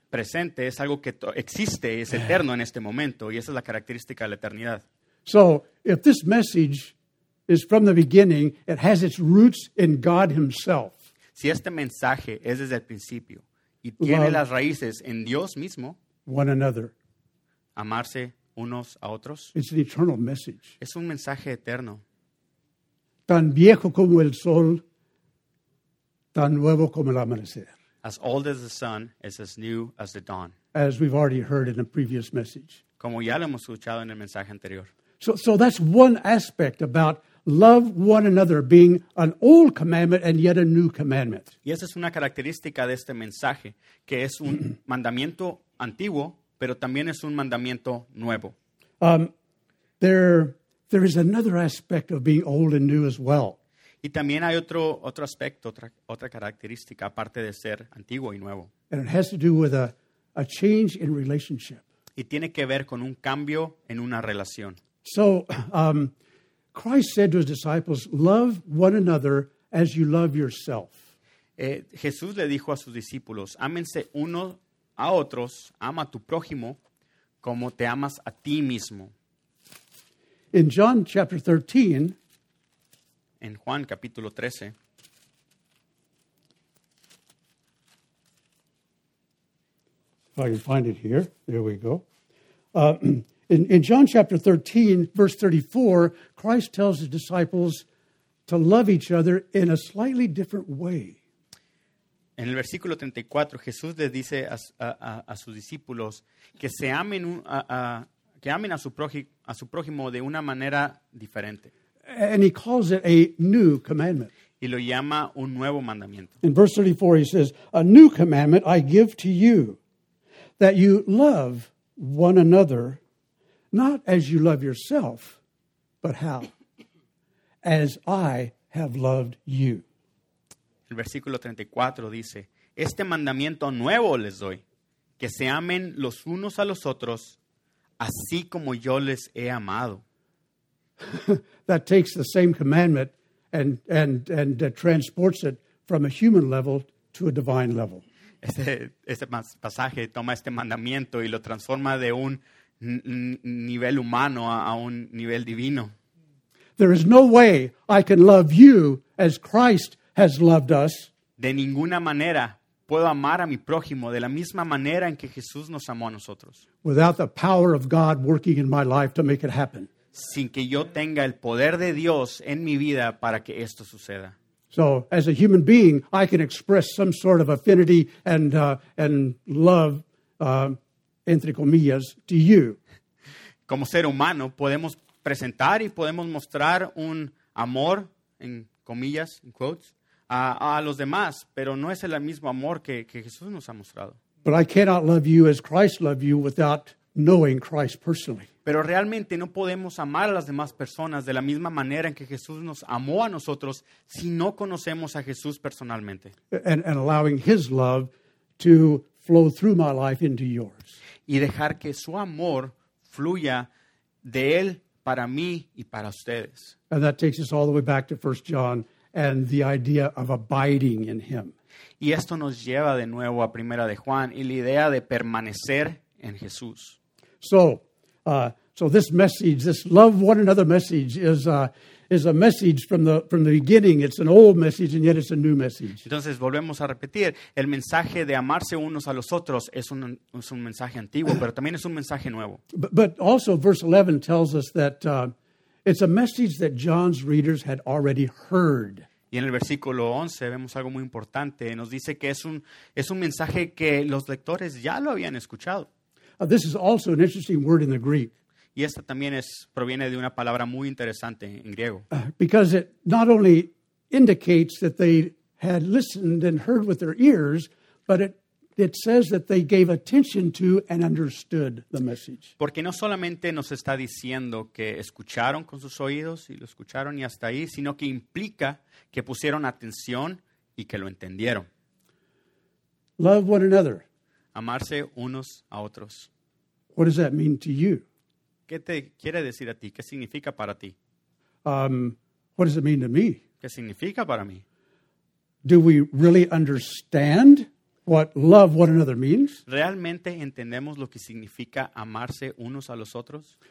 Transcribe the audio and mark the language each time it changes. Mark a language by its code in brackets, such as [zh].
[es] Presente es algo que existe, es eterno en este momento, y esa es la característica de la eternidad. [en] So if this message is from the beginning, it has its roots in God himself. [es] Si este mensaje es desde el principio y tiene las raíces en Dios mismo, [en] one another. [es] Amarse unos a otros. [en] It's an eternal message. [es] Es un mensaje eterno. Tan viejo como el sol, tan nuevo como el amanecer. [en] As old as the sun is as new as the dawn. As we've already heard in a previous message. [es] Como ya lo hemos escuchado en el mensaje anterior. [en] So that's one aspect about love one another being an old commandment and yet a new commandment. [es] Y esa es una característica de este mensaje, que es un mandamiento antiguo, pero también es un mandamiento nuevo. [en] There is another aspect of being old and new as well. [es] Y también hay otro aspecto, otra característica, aparte de ser antiguo y nuevo. [en] And it has to do with a change in relationship. [es] Y tiene que ver con un cambio en una relación. [en] So, Christ said to his disciples, love one another as you love yourself. [es] Jesús le dijo a sus discípulos, ámense uno a otros, ama a tu prójimo como te amas a ti mismo. [en] In John chapter 13, [es] en Juan capítulo 13, [en] if I can find it here, there we go. In John chapter 13, verse 34, Christ tells his disciples to love each other in a slightly different way. [es] En el versículo 34, Jesús le dice a sus discípulos que se amen a su prójimo de una manera diferente. [en] And he calls it a new commandment. [es] Y lo llama un nuevo mandamiento. [en] In verse 34, he says, a new commandment I give to you, that you love one another, not as you love yourself, but how? As I have loved you. [es] El versículo 34 dice, este mandamiento nuevo les doy, que se amen los unos a los otros, así como yo les he amado. [en] That takes the same commandment and transports it from a human level to a divine level. [es] Este pasaje toma este mandamiento y lo transforma de un nivel humano a un nivel divino. [en] There is no way I can love you as Christ has loved us. [es] De ninguna manera puedo amar a mi prójimo de la misma manera en que Jesús nos amó a nosotros. [en] Without the power of God working in my life to make it happen. [es] Sin que yo tenga el poder de Dios en mi vida para que esto suceda. [en] So, as a human being, I can express some sort of affinity and love, [es] entre comillas, [en] to you. [es] Como ser humano, podemos presentar y podemos mostrar un amor, en comillas, [en] in quotes, [es] a los demás, pero no es el mismo amor que Jesús nos ha mostrado. [en] But I cannot love you as Christ loved you without knowing Christ personally. [es] Pero realmente no podemos amar a las demás personas de la misma manera en que Jesús nos amó a nosotros si no conocemos a Jesús personalmente. [en] And allowing his love to flow through my life into yours. [es] Y dejar que su amor fluya de él para mí y para ustedes. [en] And that takes us all the way back to 1 John and the idea of abiding in him. [es] Y esto nos lleva de nuevo a Primera de Juan y la idea de permanecer en Jesús. [en] So this message, this love one another message, is a message from the beginning. It's an old message, and yet it's a new message. [es] Entonces volvemos a repetir el mensaje de amarse unos a los otros es un mensaje antiguo, pero también es un mensaje nuevo. [en] But also, verse 11 tells us that it's a message that John's readers had already heard. [es] Y en el versículo 11 vemos algo muy importante. Nos dice que es un mensaje que los lectores ya lo habían escuchado. [en] This is also an interesting word in the Greek. [es] Y esta también proviene de una palabra muy interesante en griego. [en] Because it not only indicates that they had listened and heard with their ears, but it says that they gave attention to and understood the message. [es] Porque no solamente nos está diciendo que escucharon con sus oídos y lo escucharon y hasta ahí, sino que implica que pusieron atención y que lo entendieron. [en] Love one another. [es] Amarse unos a otros. [en] What does that mean to you? [es] ¿Qué te quiere decir a ti? ¿Qué significa para ti? [en] What does it mean to me? [es] ¿Qué significa para mí? [en] Do we really understand what love one another means? [es] ¿Realmente entendemos lo que significa amarse unos a los otros?